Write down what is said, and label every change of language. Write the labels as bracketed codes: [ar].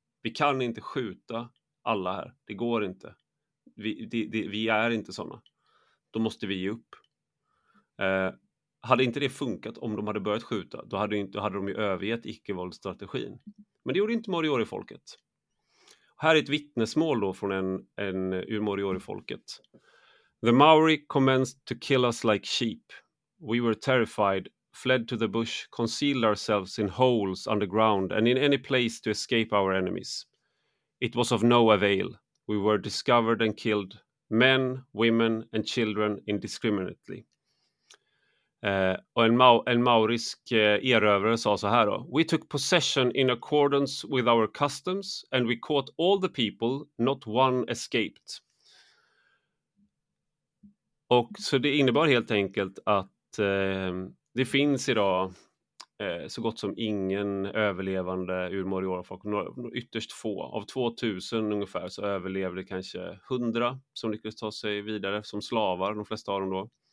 [sv] Vi kan inte skjuta alla här, det går inte. Vi är inte såna. Då måste vi ge upp. Hade inte det funkat om de hade börjat skjuta, då hade de ju övergett icke-våldsstrategin. Men det gjorde inte Moriori-folket. Här är ett vittnesmål då från en ur Moriori-folket. [en] The Maori commenced to kill us like sheep. We were terrified, fled to the bush, concealed ourselves in holes underground and in any place to escape our enemies. It was of no avail. We were discovered and killed, men, women and children indiscriminately. [sv] Och en maorisk erövrare sa så här då: [en] We took possession in accordance with our customs and we caught all the people, not one escaped. [sv] Och så det innebar helt enkelt att det finns idag så gott som ingen överlevande ur Moriori-folk, ytterst få. Av 2000 ungefär så överlevde kanske 100 som lyckades ta sig vidare som slavar, de flesta av dem då.